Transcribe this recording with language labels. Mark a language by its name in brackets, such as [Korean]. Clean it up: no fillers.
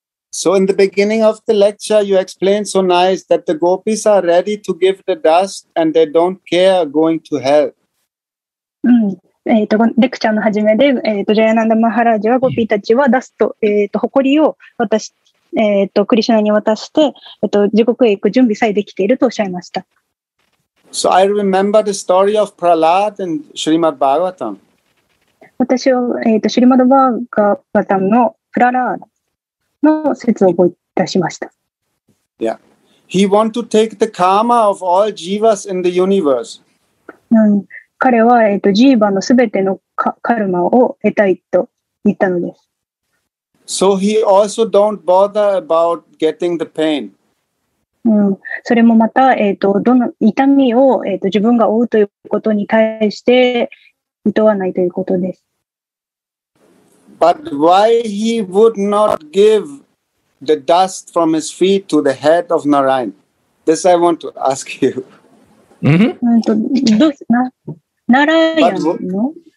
[English] So in the beginning of the lecture, you explained so nice that the gopis are ready to give the dust and they don't care going to hell. [Japanese] レクチャーの始めで、ジャヤナンダ・マハラジはゴピーたちはダスト、ホコリを渡し、クリシュナに渡して、地獄へ行く準備さえできているとおっしゃいました。 [English] So I remember the story of Prahlad and Srimad Bhagavatam. [Japanese] 私は、Srimad Bhagavatam のプララードの説を出しました。 [English] Yeah. He want to take the karma of all jivas in the universe. [Japanese] うん、彼は、ジーバのすべてのカルマを得たいと言ったのです。 [English] So he also don't bother about getting the pain. [Japanese] うん、それもまた、どの痛みを、自分が負うということに対して厭わないということです。 [English] But why he would not give the dust from his feet to the head of Narayan? This I want to ask you. [Japanese] うん、どうすな、ナラヤンの